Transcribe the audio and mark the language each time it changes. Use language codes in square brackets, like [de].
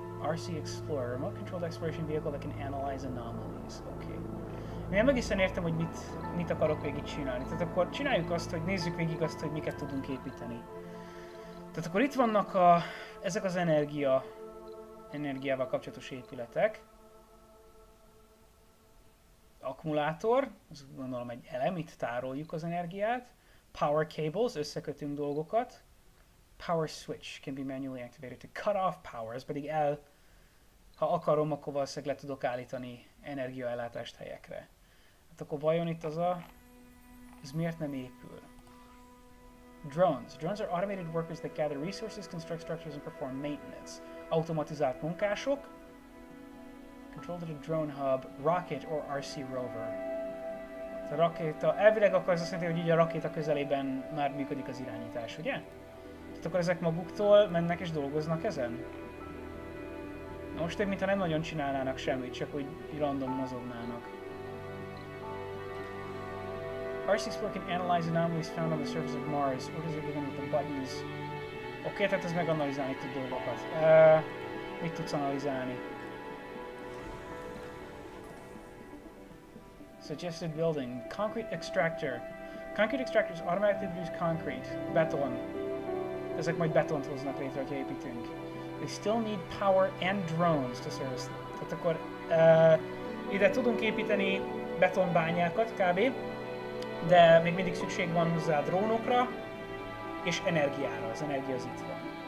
[en] RC Explorer, remote controlled exploration vehicle that can analyze anomalies. Oké. Okay. [hu] Én egészen értem, hogy mit akarok végig csinálni. Tehát akkor csináljuk azt, hogy nézzük végig azt, hogy miket tudunk építeni. Tehát akkor itt vannak ezek az energiával kapcsolatos épületek. Akkumulátor, az gondolom egy elem, itt tároljuk az energiát. [en] Power cables, [hu] összekötünk dolgokat. [en] Power switch can be manually activated to cut off power, [hu] ez pedig el... Ha akarom, akkor valószínűleg le tudok állítani energiaellátást helyekre. Hát akkor vajon itt az a... Ez miért nem épül? Drones. [en] Drones are automated workers that gather resources, construct structures and perform maintenance. [hu] Automatizált munkások. [en] Controlled at a drone hub, rocket or RC rover. [hu] A rakéta, elvileg akkor az azt jelenti, hogy így a rakéta közelében már működik az irányítás, ugye? Tehát akkor ezek maguktól mennek és dolgoznak ezen? Most épp mintha nem nagyon csinálnának semmit, csak úgy random mozognának. [en] RC Explorer can analyze anomalies found on the surface of Mars. What is it doing with the buttons? [hu] Oké, tehát ez meganalizálni tud dolgokat. Mit tudsz analizálni? [en] Suggested building. Concrete extractor. Concrete extractors automatically produce concrete. Beton. [hu] Ezek majd betont hoznak létre, hogy építünk. [en] They still need power and drones to service them. [hu] Tehát akkor ide tudunk építeni betonbányákat kb. De még mindig szükség van hozzá drónokra és energiára. Az energia az itt van.